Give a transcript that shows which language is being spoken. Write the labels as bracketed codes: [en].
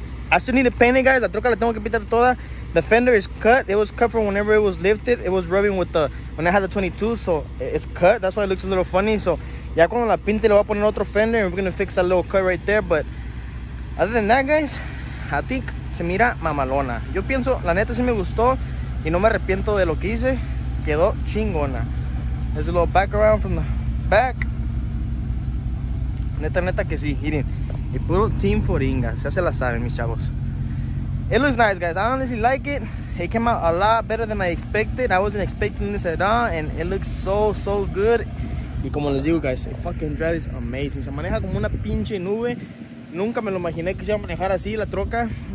[en] I still need to paint it, guys. [es] La troca la tengo que pintar toda. [en] The fender is cut. It was cut from whenever it was lifted. It was rubbing with the, when I had the 22, so it's cut. That's why it looks a little funny. So, [es] ya cuando la pinte, le voy a poner otro fender, [en] and we're going to fix that little cut right there. But other than that, guys, I think [es] se mira mamalona. Yo pienso, la neta, sí me gustó, y no me arrepiento de lo que hice. Quedó chingona. [en] There's a little back around from the back. [es] Neta, neta que sí, miren. Y puro team foringa, ya se la saben, mis chavos. [en] It looks nice, guys. I honestly like it. It came out a lot better than I expected. I wasn't expecting this at all, and it looks so, so good. [es] Y como les digo, guys, [en] it fucking drives amazing. [es] Se maneja como una pinche nube. Nunca me lo imaginé que se iba a manejar así la troca.